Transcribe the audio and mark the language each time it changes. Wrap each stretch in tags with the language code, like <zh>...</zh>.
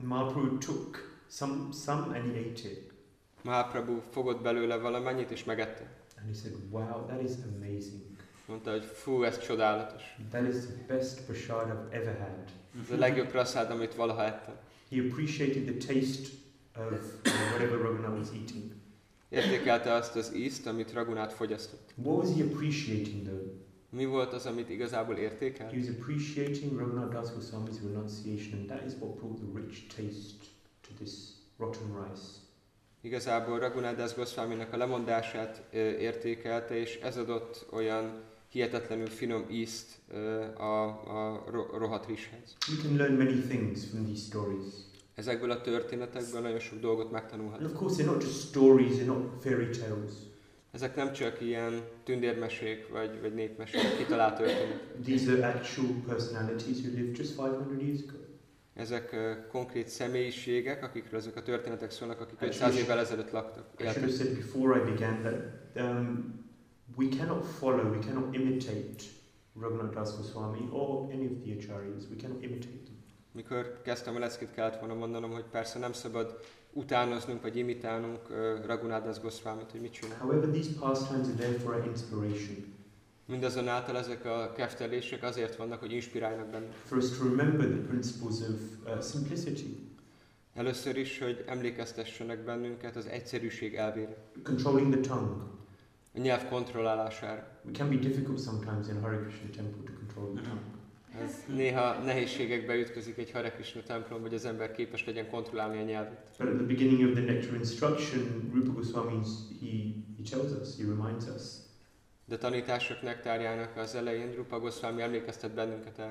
<en>Mahaprabhu took some and he ate it.</en> <hu>Mahaprabhu fogott belőle valamennyit, és megette.</hu> <en>And he said, wow, that is amazing.</en> <hu>Mondta, hogy fú, ez csodálatos.</hu> <en>That is the best prasad I've ever had.</en> <hu>Ez a legjobb prasad, amit valaha ettem.</hu> <en>He appreciated the taste of whatever Raghunath was eating.</en> <hu>Értékelte azt az ízt, amit Raghunath fogyasztott.</hu> <en>What was he appreciating though?</en> <hu>Mi volt az, amit igazából értékelt?</hu> <en>He was appreciating Raghunath Das Goswami's renunciation, and that is what brought the rich taste to this rotten rice.</en> <hu>Igazából Raghunath Das Goswaminak a lemondását értékelte, és ez adott olyan hihetetlenül finom ízt a rohadt rizshez.</hu> <en>We can learn many things from these stories.</en> <hu>Ezekből a történetekből nagyon sok dolgot megtanulhatunk.</hu> <en>Of course, they're not just stories, they're not fairy tales.</en> <hu>Ezek nem csak ilyen tündérmesék vagy népmesék, kitalált történet.</hu> <en>These are actual personalities who lived just 500 years ago.</en> <hu>Ezek konkrét személyiségek, akikről ezek a történetek szólnak, akik 500 évvel ezelőtt laktak.</hu> <en>I should have said before I began that we cannot follow, we cannot imitate Raghunath Das Goswami or any of the acharyas. We cannot imitate them.</en> <hu>Mikor kezdtem a leckét, kellett volna mondanom, hogy persze nem szabad utánoznunk vagy imitálnunk Raghunath Das Goswamit, hogy mit csinál.</hu> <en>However, these pastimes are there for our inspiration.</en> <hu>Mindazonáltal ezek a keftelések azért vannak, hogy inspiráljanak bennünket.</hu> <en>First to remember the principles of simplicity.</en> <hu>Először is, hogy emlékeztessenek bennünket az egyszerűség elvére.</hu> <en>Controlling the tongue.</en> <hu>A nyelv kontrollálására.</hu> <en>It can be difficult sometimes in Hare Krishna temple to control the tongue.</en> <hu>Ez néha nehézségekbe ütközik egy Hare Krishna templom, hogy az ember képes legyen kontrollálni a nyelvet.</hu> <en>But at the beginning of the nectar instruction, Rupa Goswami, he tells us, he reminds us.</en> <hu>De tanítások nektárjának az elején Rupa Goswami emlékeztet bennünket el.</hu>